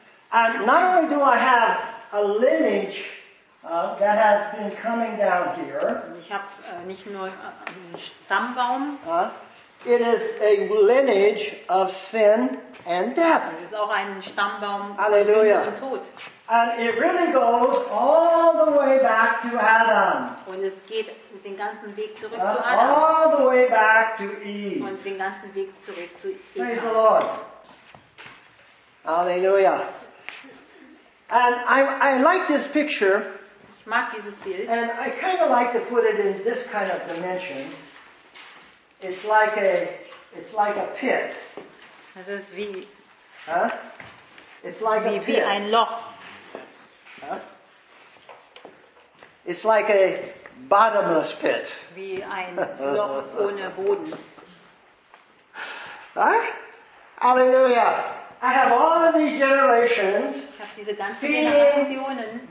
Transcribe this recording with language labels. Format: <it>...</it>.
<en>And not only do I have a lineage that has been coming down here.</en> <de>Ich habe nicht nur einen Stammbaum.</de> <en>It is a lineage of sin and death.</en> <de>Es ist auch ein Stammbaum von Sünde und Tod.</de> <en>And it really goes all the way back to Adam.</en> <de>Und es geht den ganzen Weg zurück zu Adam.</de> <en>All the way back to Eve.</en> <de>Und den ganzen Weg zurück zu Eve.</de> <en>Praise the Lord. Halleluja. And I like this picture.</en> <de>Ich mag dieses Bild.</de> <en>And I kind of like to put it in this kind of dimension. It's like a pit.</en> <de>Das ist wie.</de> <en>It's like</en> <de>wie</de> <en>a pit.</en> <de>Wie ein Loch.</de> <en>It's like a bottomless pit.</en> <de>Wie ein Loch ohne Boden. Halleluja.</de> <en>I have all of these generations.</en> <de>Ich habe diese ganzen Generationen.</de>